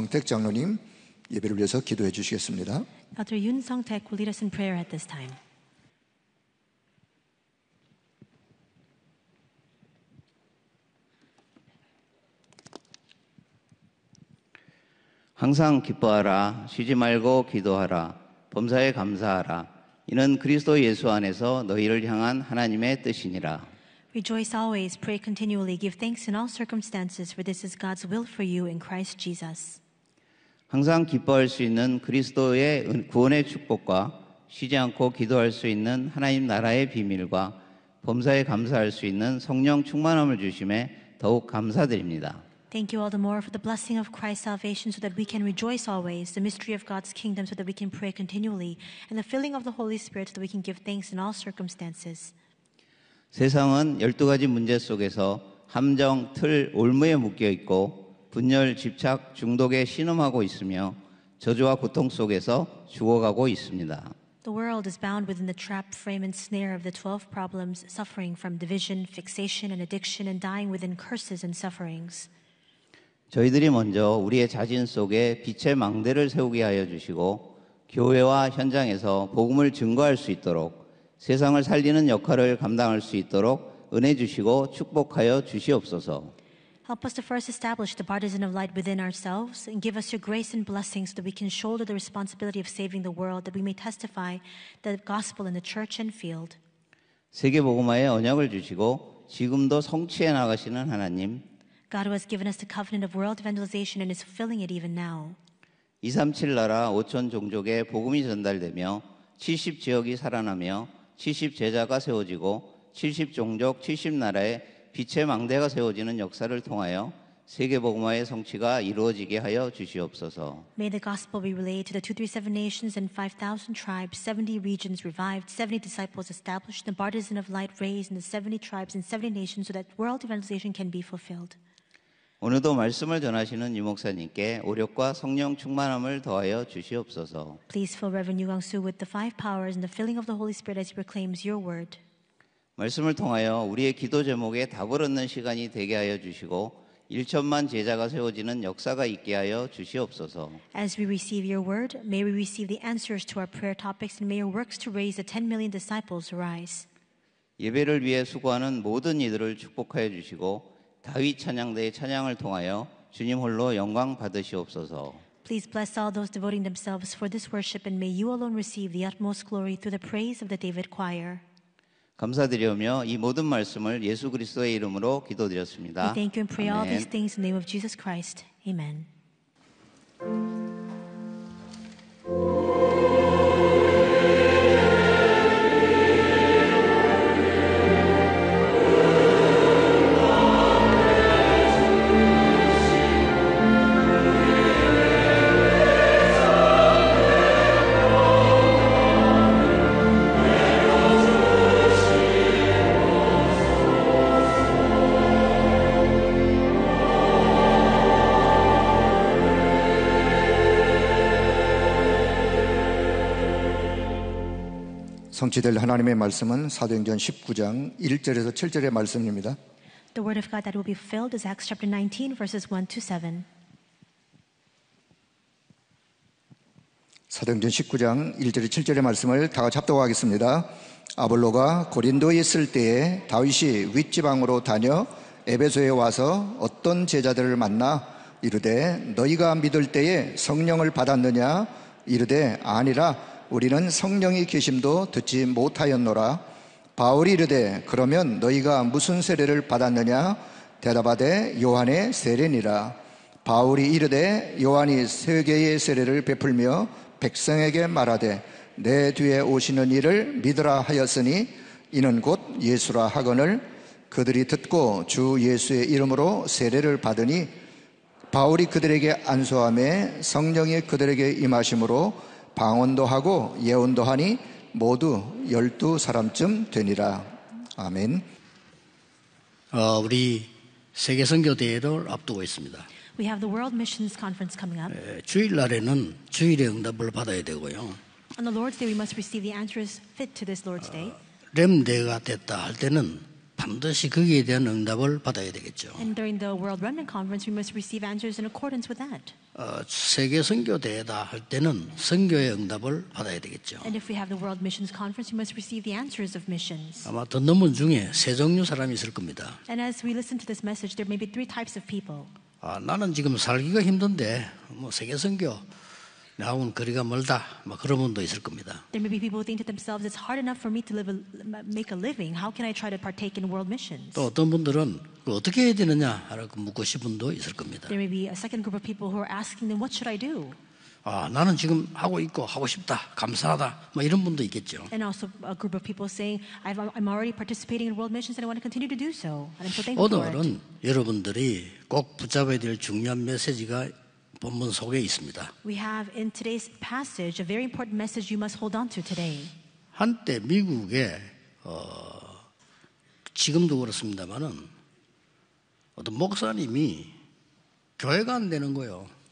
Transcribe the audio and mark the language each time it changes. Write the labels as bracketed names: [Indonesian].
[Korean] 장로님 예배를 위해서 기도해 주시겠습니다. [English] Elder Yun Song-taek will lead us in prayer at this time. [Korean] 항상 기뻐하라, 쉬지 말고 기도하라, 범사에 감사하라. 이는 그리스도 예수 안에서 너희를 향한 하나님의 뜻이니라. [English] Rejoice always, pray continually, give thanks in all circumstances, for this is God's will for you in Christ Jesus. [Korean] 항상 기뻐할 수 있는 그리스도의 구원의 축복과 쉬지 않고 기도할 수 있는 하나님 나라의 비밀과 범사에 감사할 수 있는 성령 충만함을 주심에 더욱 감사드립니다. [English] Thank you all the more for the blessing of Christ's salvation so that we can rejoice always, the mystery of God's kingdom so that we can pray continually, and the filling of the Holy Spirit so that we can give thanks in all circumstances. [Korean] 세상은 12가지 문제 속에서 함정, 틀, 올무에 묶여 있고 분열, 집착, 중독에 신음하고 있으며 저주와 고통 속에서 죽어가고 있습니다. [English] The world is bound within the trap, frame, and snare of the 12 problems, suffering from division, fixation, and addiction, and dying within curses and sufferings. [Korean] 저희들이 먼저 우리의 자신 속에 빛의 망대를 세우게 하여 주시고 교회와 현장에서 복음을 증거할 수 있도록 세상을 살리는 역할을 감당할 수 있도록 은혜 주시고 축복하여 주시옵소서. [English] Help us to first establish the partisan of light within ourselves and give us your grace and blessings so that we can shoulder the responsibility of saving the world that we may testify the gospel in the church and field. [Korean] 세계 복음화에 언약을 주시고 지금도 성취해 나가시는 하나님. [English] God who has given us the covenant of world evangelization and is fulfilling it even now. [Korean] 237 나라 5천 종족에 복음이 전달되며 70 지역이 살아나며 70 제자가 세워지고 70 종족 70 나라에 빛의 망대가 세워지는 역사를 통하여 세계 복음화의 성취가 이루어지게 하여 주시옵소서. [English] May the gospel be relayed to the 237 nations and 5,000 tribes, 70 regions revived, 70 disciples established, the partisan of light raised in the 70 tribes and 70 nations so that world evangelization can be fulfilled. [Korean] 오늘도 말씀을 전하시는 유 목사님께 오력과 성령 충만함을 더하여 주시옵소서. [English] Please fill Reverend Yu Kwang-soo with the five powers and the filling of the Holy Spirit as he proclaims your word. [Korean] 말씀을 통하여 우리의 기도 제목에 답을 얻는 시간이 되게 하여 주시고 1천만 제자가 세워지는 역사가 있게 하여 주시옵소서. [English] As we receive your word, may we receive the answers to our prayer topics and may your works to raise the 10 million disciples arise. [Korean] 예배를 위해 수고하는 모든 이들을 축복하여 주시고 다윗 찬양대의 찬양을 통하여 주님 홀로 영광 받으시옵소서. [English] Please bless all those devoting themselves for this worship and may you alone receive the utmost glory through the praise of the David choir. [Korean] 감사드리며 이 모든 말씀을 예수 그리스도의 이름으로 기도드렸습니다. [English] We thank you and pray all these things in the name of Jesus Christ. Amen. [Korean] 성취될 하나님의 말씀은 사도행전 19장 1절에서 7절의 말씀입니다. [English] The word of God that will be fulfilled is Acts chapter 19 verses 1 to 7. [Korean] 사도행전 19장 1절에서 7절의 말씀을 다 같이 합독하겠습니다. 아볼로가 고린도에 있을 때에 다윗이 윗지방으로 다녀 에베소에 와서 어떤 제자들을 만나 이르되 너희가 믿을 때에 성령을 받았느냐 이르되 아니라 우리는 성령의 계심도 듣지 못하였노라. 바울이 이르되 그러면 너희가 무슨 세례를 받았느냐? 대답하되 요한의 세례니라. 바울이 이르되 요한이 세계의 세례를 베풀며 백성에게 말하되 내 뒤에 오시는 이를 믿으라 하였으니 이는 곧 예수라 하거늘 그들이 듣고 주 예수의 이름으로 세례를 받으니 바울이 그들에게 안수하매 성령이 그들에게 임하심으로 방언도 하고 예언도 하니 모두 열두 사람쯤 되니라. 아멘. 우리 세계 선교대회를 앞두고 있습니다. [English] We have the World Missions Conference coming up. [Korean] 주일날에는 주일의 응답을 받아야 되고요. [English] On the Lord's Day, we must receive the answers fit to this Lord's Day. [Korean] 렘대가 됐다 할 때는 반드시 거기에 대한 응답을 받아야 되겠죠. [English] And during the World Remnant Conference, we must receive answers in accordance with that. [Korean] 세계 선교대회다 할 때는 선교의 응답을 받아야 되겠죠. [English] And if we have the World Missions Conference, we must receive the answers of missions. [Korean] 아마 듣는 분 중에 세 종류 사람이 있을 겁니다. [English] And as we listen to this message, there may be three types of people. [Korean] 나는 지금 살기가 힘든데 뭐 세계 선교 나온 거리가 멀다. 막 그런 분도 있을 겁니다. [English] There may be people who think to themselves, it's hard enough for me to live make a living. How can I try to partake in world missions? [Korean] 또 어떤 분들은 어떻게 해야 되느냐라고 묻고 싶은 분도 있을 겁니다. [English] There may be a second group of people who are asking them, what should I do? [Korean] 나는 지금 하고 있고 하고 싶다. 감사하다. 막 이런 분도 있겠죠. [English] And also a group of people saying, I'm already participating in world missions and I want to continue to do so. And I'm so thankful for it. [Korean] 오늘은 여러분들이 꼭 붙잡아야 될 중요한 메시지가 본문 속에 있습니다. [English] We have in today's passage a very important message you must hold on to today. [Korean] 한때 미국에 지금도 그렇습니다만은 어떤 목사님이 교회가 안 되는 거예요.